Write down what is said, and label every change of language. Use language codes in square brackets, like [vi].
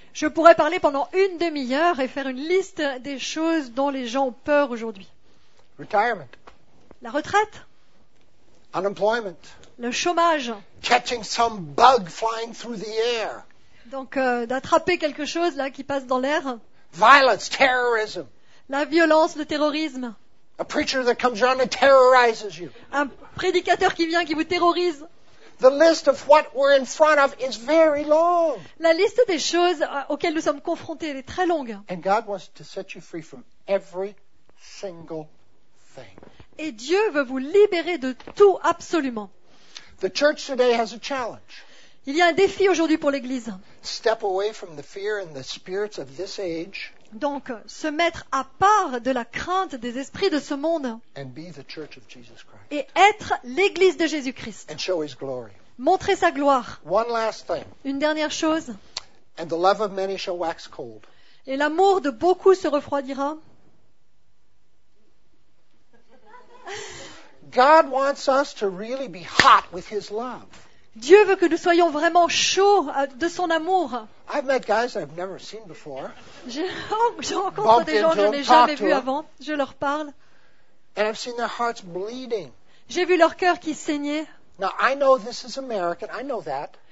[fr] Je pourrais parler pendant une demi-heure et faire une liste des choses dont les gens ont peur aujourd'hui. [en] Retirement. [fr] La retraite. [en] Unemployment. [fr] Le chômage. [en] Catching some bug flying through the air. [fr] Donc, d'attraper quelque chose là qui passe dans l'air. [en] Violence, terrorism. [fr] La violence, le terrorisme. [en] A preacher that comes around and terrorizes you. [fr] Un prédicateur qui vient qui vous terrorise. [en] The list of what we're in front of is very long. [fr] La liste des choses auxquelles nous sommes confrontés est très longue. [en] And God wants to set you free from every single thing. [fr] Et Dieu veut vous libérer de tout absolument. [en] The church today has a challenge. [fr] Il y a un défi aujourd'hui pour l'Église. [en] Step away from the fear and the spirits of this age. [fr] Donc, se mettre à part de la crainte des esprits de ce monde. [en] And be the church of Jesus Christ. [fr] Et être l'Église de Jésus-Christ. [en] And show his glory. [fr] Montrer sa gloire. [en] One last thing. [fr] Une dernière chose. [en] And the love of many shall wax cold. [fr] Et l'amour de beaucoup se refroidira. [en] God wants us to really be hot with his love. [fr] Dieu veut que nous soyons vraiment chauds de son amour. [en] I've met guys I've never seen before. [fr] Je rencontre des gens que je n'ai jamais vus avant. Je leur parle. [en] And I've seen their hearts bleeding. [fr] J'ai vu leur cœur qui saignait. [en] Now, I know this is American. I know that.